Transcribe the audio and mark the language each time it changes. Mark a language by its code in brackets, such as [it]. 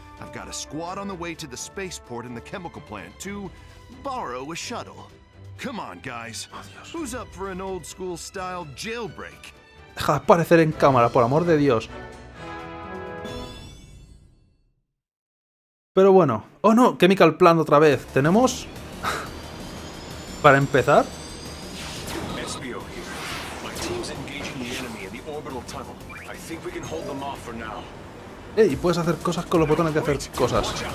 [en] I've got a squad on the way to the spaceport in the chemical plant to borrow a shuttle. Come on, guys. Oh, who's up for an old school style jailbreak? [es] Deja de aparecer en cámara, por amor de Dios. Pero bueno. Oh no, Chemical Plant otra vez. Tenemos. Para empezar. [en] SBO here. My team's engaging the enemy in the orbital tunnel. I think we can hold them off for now. [es] Ey, puedes hacer cosas con los botones de hacer cosas.